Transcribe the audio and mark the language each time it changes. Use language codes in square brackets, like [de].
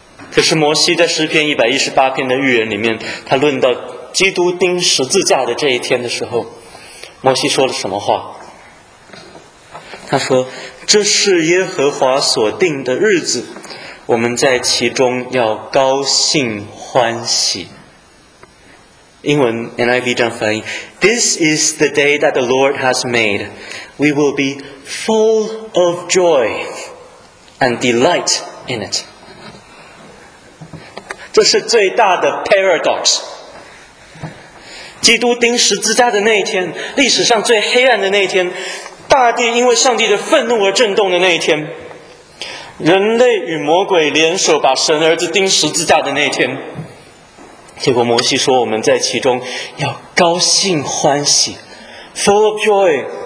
[zh] 可是摩西在诗篇118篇的预言里面，他论到基督钉十字架的这一天的时候，摩西说了什么话？他说，这是耶和华所定的日子，我们在其中要高兴欢喜。英文 NIV 这样翻译， [en] This is the day that the Lord has made. We will be full of joy and delight in it. [zh] 这是最大的 paradox。基督钉十字架的那一天，历史上最黑暗的那一天，大地因为上帝的愤怒而震动的那一天，人类与魔鬼联手把神儿子钉十字架的那一天，结果摩西说我们在其中要高兴欢喜 [en] full of joy。